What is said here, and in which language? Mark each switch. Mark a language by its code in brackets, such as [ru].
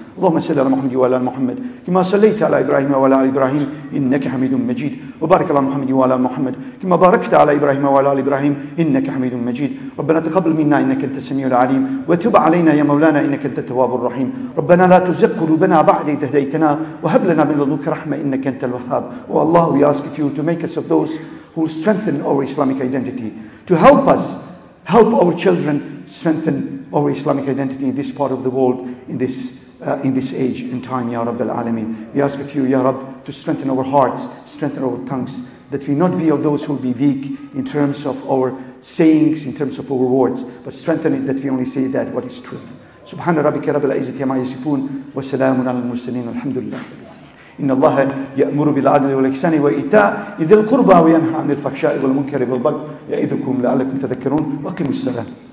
[ar] اللهم صل على محمد وعلى محمد كما صليت على إبراهيم وعلى إبراهيم إنك حميد مجيد. وبارك على محمد وعلى محمد كما باركت على إبراهيم وعلى إبراهيم إنك حميد مجيد. ربنا تقبل منا إنك أنت السميع العليم, وتب علينا يا مولانا إنك أنت التواب الرحيم. ربنا لا تزغ قلوبنا بعد إذ هديتنا وهب لنا من لدنك رحمة إنك أنت الوهاب. [en] والله we ask you to make us of those who strengthen our Islamic identity, to help us help our children strengthen our Islamic identity in this part of the world, in this age and time, Ya Rabbil Alameen. We ask of you, Ya Rabb, to strengthen our hearts, strengthen our tongues, that we not be of those who will be weak in terms of our sayings, in terms of our words, but strengthen it that we only say that what is truth. [ar] Subhana rabbika rabbil izzati amma yasifun wa salamun alal mursalin walhamdulillah. إن الله يأمر بالعدل والإحسان وإيتاء ذي القربى وينهى عن الفحشاء والمنكر والبغي يعظكم لعلكم تذكرون. وقيموا الصلاة.